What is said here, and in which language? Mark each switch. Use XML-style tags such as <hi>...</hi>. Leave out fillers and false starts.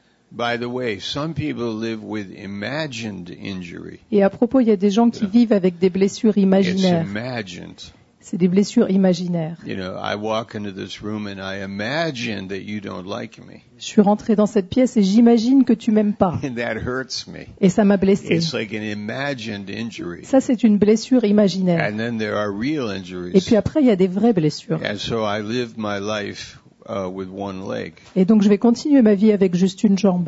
<en>By the way, some people live with imagined injury.</en> <fr>Et à propos, il y a des gens qui vivent avec des blessures imaginaires.</fr> <en>It's imagined.</en> <fr>C'est des blessures imaginaires.</fr> <en>You know, I walk into this room and I imagine that you don't like me.</en> <fr>Je suis rentré dans cette pièce et j'imagine que tu m'aimes pas.</fr> <en>And that hurts me.</en> <fr>Et ça m'a blessé.</fr> <en>It's like an imagined injury.</en> <fr>Ça, c'est une blessure imaginaire.</fr> <en>And then there are real injuries.</en> <fr>Et puis après, il y a des vraies blessures.</fr> <en>And so I live my life with one leg.</en> <fr>Et donc je vais continuer ma vie avec juste une jambe.</fr>